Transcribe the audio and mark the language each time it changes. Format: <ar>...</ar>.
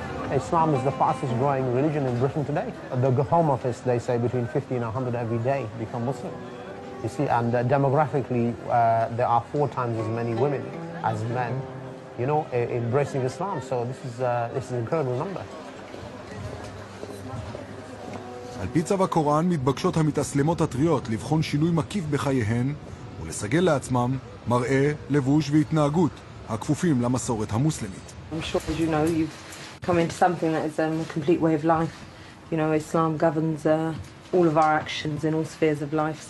<en>Islam is the fastest growing religion in Britain today. The home office, they say between 50 and 100 every day become Muslim. You see, and demographically, there are 4 times as many women as men, you know, embracing Islam. So this is an incredible number.</en> <he>על פי צו הקוראן מתבקשות המתאסלמות הטריות לבחון שינוי מקיף בחייהן ולסגל לעצמם מראה, לבוש והתנהגות הכפופים למסורת המוסלמית.</he> <en>I'm sure, as you know, you've come into something that is a complete way of life. You know, Islam governs all of our actions in all spheres of life.</en>